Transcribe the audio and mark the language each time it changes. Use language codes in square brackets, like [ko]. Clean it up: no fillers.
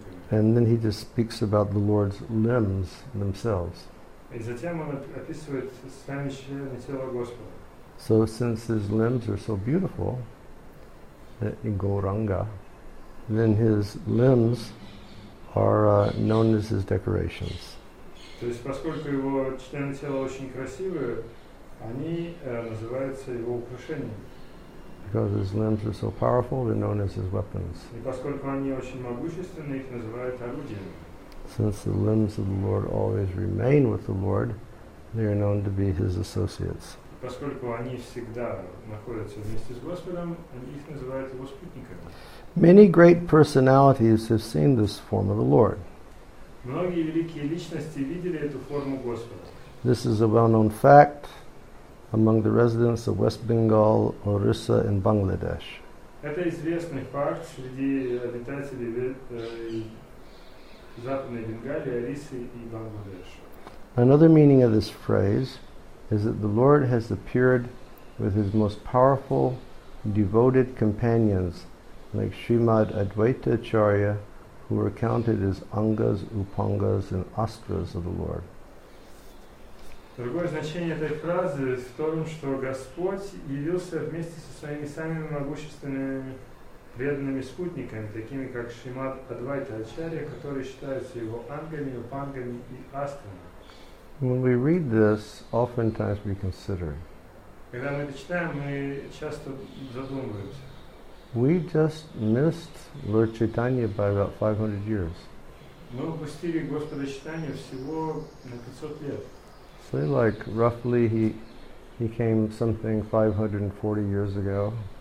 [en] And then he just speaks about the Lord's limbs themselves. So since his limbs are so beautiful, Gauranga, then his limbs are known as his decorations. [ru] То есть, поскольку его члены тела очень красивые, они называются его украшениями. [en] Because his limbs are so powerful, they're known as his weapons. [ru] И поскольку они очень могущественны, их называют орудиями. [en] Since the limbs of the Lord always remain with the Lord, they are known to be his associates. [ru] Поскольку они всегда находятся вместе с Господом, их называют его спутниками. [en] Many great personalities have seen this form of the Lord. [ru] Многие великие личности видели эту форму Господа. [en] This is a well-known fact among the residents of West Bengal, Orissa, and Bangladesh. [ru] Это известный факт среди обитателей Западной Бенгалии, Орисы и Бангладеш. [en] Another meaning of this phrase is that the Lord has appeared with his most powerful devoted companions like Srimad Advaita Acharya, who were counted as Angas, Upangas and Astras of the Lord. [ru] Другое значение этой фразы в том, что Господь явился вместе со своими самыми могущественными преданными спутниками, такими как Шримад Адвайта Ачарья, которые считаются его ангами, упангами и астрами. [en] When we read this, oftentimes we consider. [ru] Когда мы это читаем, мы часто задумываемся. [en] We just missed Lord Chaitanya by about 500 years. [ru] Мы упустили Господа Чайтанью всего на 500 лет. [en] Say like roughly he came something 540 years ago.